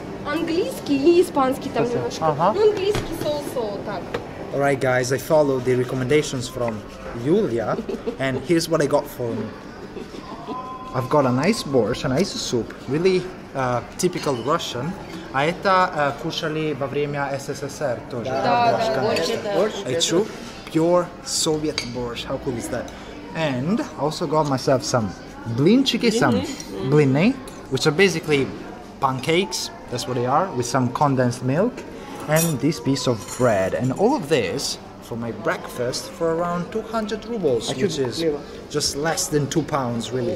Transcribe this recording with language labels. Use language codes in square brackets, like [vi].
[ru] Английский и испанский там немножко. Ну, английский соу-соу, так. [en] Alright guys, I followed the recommendations from Julia, and here's what I got for me. I've got a nice borscht, a nice soup, really typical Russian. [ru] А это кушали во время СССР тоже. Да, борщ, да, борщ, это. Борщ, это. [en] True, pure Soviet borscht. How cool is that? And I also got myself some блинчики, some блины, which are basically pancakes, that's what they are, with some condensed milk, and this piece of bread. And all of this for my breakfast for around 200 rubles, which is just less than £2, really.